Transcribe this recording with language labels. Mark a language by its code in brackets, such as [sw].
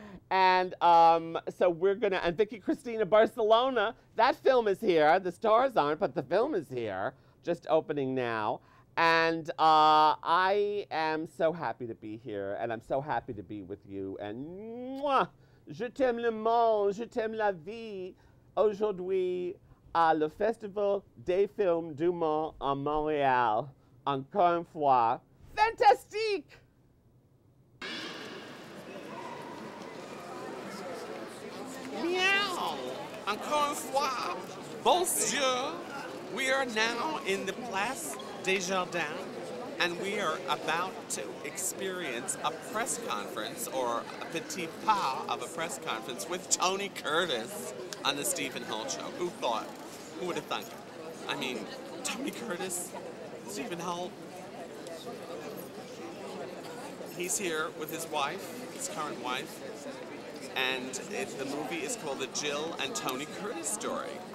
[en] So we're going to, and Vicky Cristina Barcelona, that film is here. The stars aren't, but the film is here. Just opening now, and I am so happy to be here, and I'm so happy to be with you, and mwah! [fr] Je t'aime le monde, je t'aime la vie, aujourd'hui à le Festival des Films du Mont en Montréal, encore une fois, fantastique! Meow! Encore une fois, bonjour! [en] We are now in the Place des Jardins, and we are about to experience a press conference, or a petit pas of a press conference, with Tony Curtis on the Stephen Holt Show. Who thought? Who would have thunk? I mean, Tony Curtis, Stephen Holt, he's here with his wife, his current wife, and the movie is called The Jill and Tony Curtis Story.